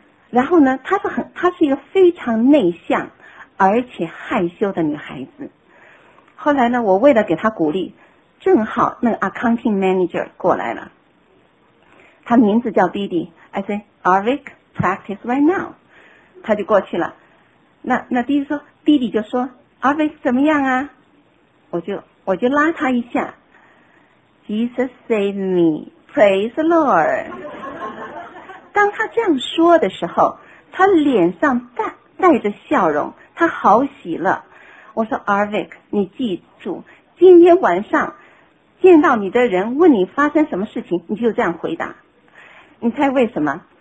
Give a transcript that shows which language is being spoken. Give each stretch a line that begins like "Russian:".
Chinese: 然后呢，她是一个非常内向而且害羞的女孩子。后来呢，我为了给她鼓励，正好那个 Accounting Manager 过来了，她名字叫 Didi,
English: I say Arvik, practice right now。
Chinese: 她就过去了。那 Didi 就说 Arvik 怎么样啊，我就拉他一下，
English: Jesus save me, praise the Lord。
Chinese: 当他这样说的时候，他脸上带着笑容，他好喜乐。我说 Arvik, 你记住，今天晚上见到你的人问你发生什么事情，你就这样回答。你猜为什么？